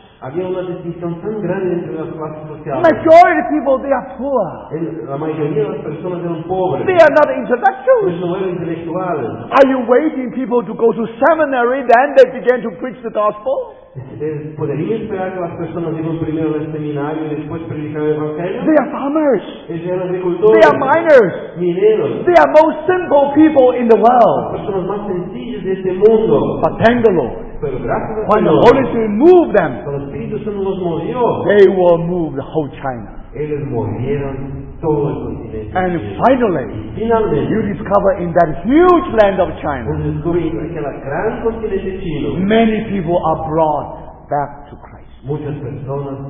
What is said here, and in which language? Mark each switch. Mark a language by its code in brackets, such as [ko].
[en] Majority of people, they are poor. They are not intellectuals. Are you waiting people to go to seminary, then they begin to preach the gospel? [es] ¿Podría esperar que las personas vivan primero en el seminario y después predicar el evangelio? [en] They are farmers. [es] Ellos eran agricultores. [en] They are miners. [es] Mineros. [en] They are most simple people in the world. [es] Las personas más sencillas de este mundo. [en] But thank the Lord. [es] Pero gracias a Dios. [en] When the Holy Spirit moved them. [es] Cuando el Espíritu Santo los movió. [en] They will move the whole China. [es] Ellos movieron. [en] And finally, you discover in that huge land of China, many people are brought back to Christ.